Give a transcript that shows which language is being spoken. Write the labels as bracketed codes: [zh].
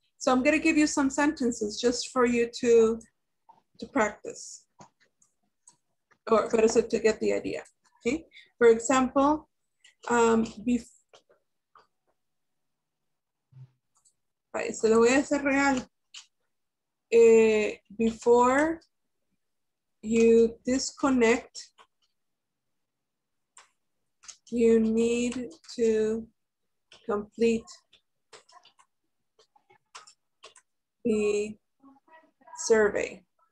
[en] So I'm going to give you some sentences just for you to practice. Or better said, to get the idea. Okay. For example, [es] se lo voy a hacer real. [en] Before you disconnect, you need to complete the survey.